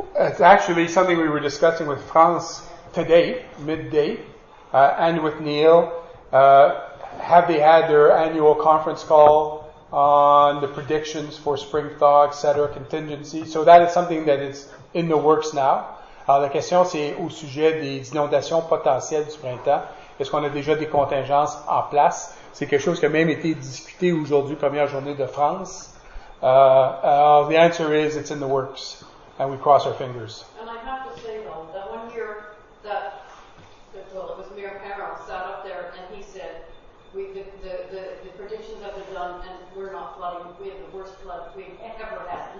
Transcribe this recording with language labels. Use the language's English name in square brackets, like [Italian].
[English] It's actually something we were discussing with France today, midday, and with Neil. Have they had their annual conference call on the predictions for spring thaw, etc., contingency? So that is something that is in the works now. [French] Alors, la question, c'est au sujet des inondations potentielles du printemps. Est-ce qu'on a déjà des contingences en place? C'est quelque chose qui a même été discuté aujourd'hui, première journée de France. [English] The answer is, it's in the works, and we cross our fingers. And I have to say, though, that one year, it was Mayor Perron sat up there, and he said, the predictions have been done, and we're not flooding. We have the worst flood we've ever had.